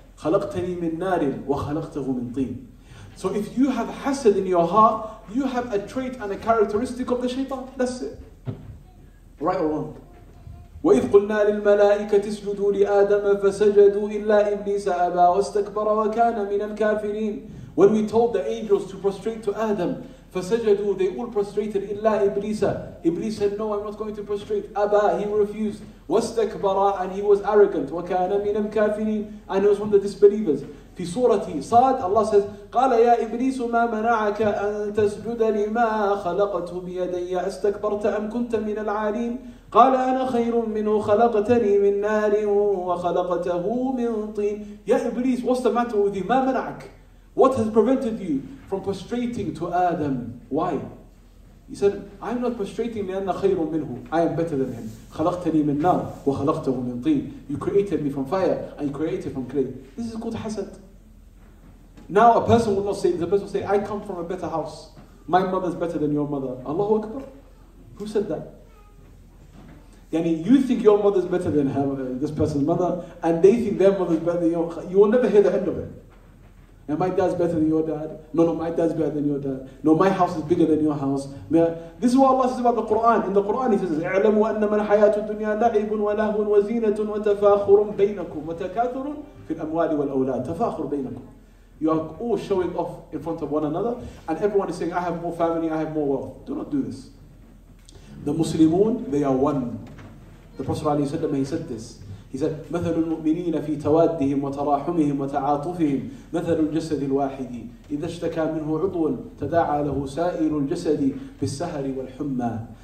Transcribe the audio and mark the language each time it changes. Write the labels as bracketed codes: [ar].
[ar] خلقتني من نار وخلقته من طين. [en] So if you have hasad in your heart, you have a trait and a characteristic of the shaitan. That's it. Right or wrong? [ar] وَإِذْ قُلْنَا لِلْمَلَائِكَةِ اسْجُدُوا لِآدَمَ فَسَجَدُوا إِلَّا إِبْلِيسَ أَبَى وَاسْتَكْبَرَ وَكَانَ مِنَ الْكَافِرِينَ. [en] When we told the angels to prostrate to Adam, [ar] فَسَجَدُوا, [en] they all prostrated, [ar] إِلَّا إِبْلِيسَ. [en] Iblis said, no, I'm not going to prostrate. Aba, he refused. [ar] وَاسْتَكْبَرَ, [en] and he was arrogant. [ar] وَكَانَ مِنَ الْكَافِرِينَ, [en] and he was from the disbelievers. [ar] في سورة صاد, [en] Allah says, [ar] قَالَ يَا إِبْلِيسُ مَا مَنَعَكَ أَن تَسْجُدَ لِمَا خَلَقَتُ بِيَدَيَّ أَسْتَكْبَرْتَ أَمْ كُنْتَ مِنَ الْعَالِينَ. قال أنا خير منه خلقتني من نار وخلقته من طين. يا إبليس, [en] what's the matter with you? [ar] ما منعك? [en] What has prevented you from prostrating to Adam? Why? He said, I'm not prostrating [ar] لأن خير منه. [en] I am better than him. [ar] خلقتني من نار وخلقته من طين. [en] You created me from fire and you created from clay. This is called hasad. Now a person will not say, the person will say, I come from a better house. My mother is better than your mother. Allahu Akbar. Who said that? Yani, you think your mother is better than her, this person's mother, and they think their mother is better than your. You will never hear the end of it. And my dad's better than your dad. No, my dad's better than your dad. No, my house is bigger than your house. This is what Allah says about the Quran. In the Quran, He says, [ar] "اعلموا أن من حياة الدنيا لعب وله وزينة وتفاخر بينكم وتكاثر في الأموال والأولاد تفاخر بينكم." [en] You are all showing off in front of one another, and everyone is saying, "I have more family. I have more wealth." Do not do this. The Muslimun, they are one. The Prophet ﷺ, he said this. He said, [ar] مَثَلُ الْمُؤْمِنِينَ فِي تَوَادِّهِمْ وَتَرَاحُمِهِمْ وَتَعَاطُفِهِمْ مَثَلُ الْجَسَدِ الْوَاحِدِ إِذَا اشْتَكَى مِنْهُ عُضْوٌ تَدَاعَى لَهُ سَائِرُ الْجَسَدِ بِالسَّهَرِ وَالْحُمَّى.